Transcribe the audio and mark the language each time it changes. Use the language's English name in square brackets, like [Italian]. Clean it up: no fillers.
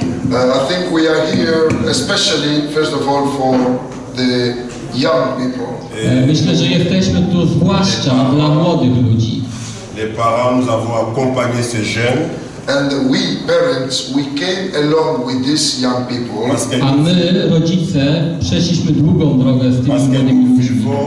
[English] I think we are here especially, first of all, for the young people. [Polish] Myślę, że jesteśmy tu zwłaszcza dla młodych ludzi. [French] Les parents nous avons accompagné ces jeunes. [English] And we parents, we came along with these young people. [Polish] A my rodzice przeszliśmy długą drogę z tymi młodymi ludźmi.